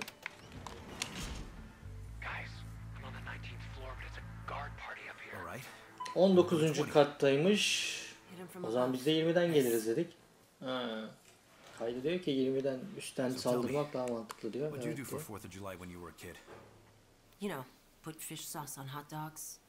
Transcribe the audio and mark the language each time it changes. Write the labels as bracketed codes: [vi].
[en] Guys, we're on the 19th floor, but it's a guard party up here. All right. [tr] 19. kattaymış. O zaman biz de 20'den geliriz dedik. Ha. Kaydı diyor ki 20'den üstten saldırmak daha mantıklı diyor. [en] What did you do for 4th of July when you were a kid? You know, put fish sauce on hot dogs.